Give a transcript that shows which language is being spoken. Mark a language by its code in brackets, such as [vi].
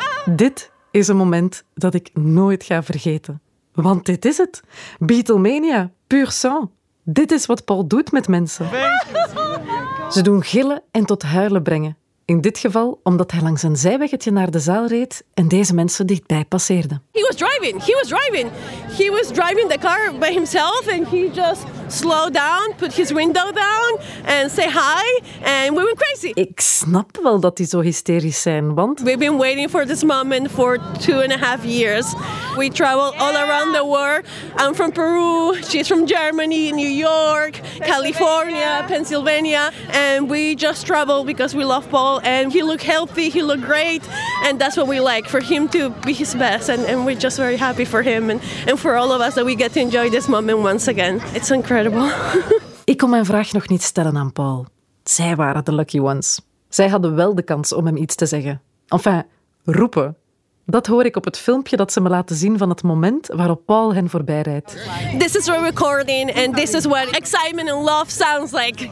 [nl] Dit is een moment dat ik nooit ga vergeten. Want dit is het. Beatlemania, pur sang. Dit is wat Paul doet met mensen. Ze doen gillen en tot huilen brengen. In dit geval omdat hij langs een zijweggetje naar de zaal reed en deze mensen dichtbij passeerden. [en] He was driving. He was driving the car by himself and he just slowed down, put his window down and say hi and we went crazy. [nl] Ik snap wel dat die zo hysterisch zijn, want [en] we've been waiting for this moment for 2.5 years. We travel all around the world. I'm from Peru, she's from Germany, New York, California, Pennsylvania, and we just travel because we love Paul. And he looked healthy, he looked great, and that's what we like, for him to be his best. And we're just very happy for him and for all of us that we get to enjoy this moment once again. It's incredible. [nl] Ik kon mijn vraag nog niet stellen aan Paul. Zij waren de [en] lucky ones. [nl] Zij hadden wel de kans om hem iets te zeggen. Enfin, roepen. Dat hoor ik op het filmpje dat ze me laten zien van het moment waarop Paul hen voorbij rijdt. [en] This is a recording and this is what excitement and love sounds like.